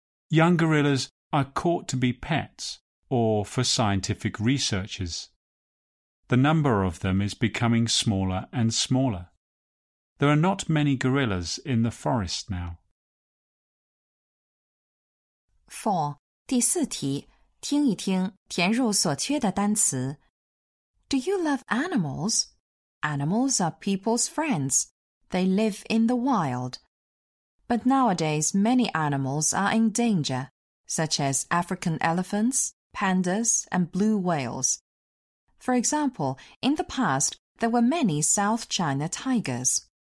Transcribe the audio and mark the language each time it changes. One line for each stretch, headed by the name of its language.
English: Young gorillas are caught to be pets or for scientific researchers. The number of them is becoming smaller and smaller. There are not many gorillas in the forest now. 4.
Chinese: 第四题，听一听，填入所缺的单词。
English: Do you love animals? Animals are people's friends. They live in the wild. But nowadays, many animals are in danger, such as African elephants, pandas, and blue whales. For example, in the past, there were many South China tigers.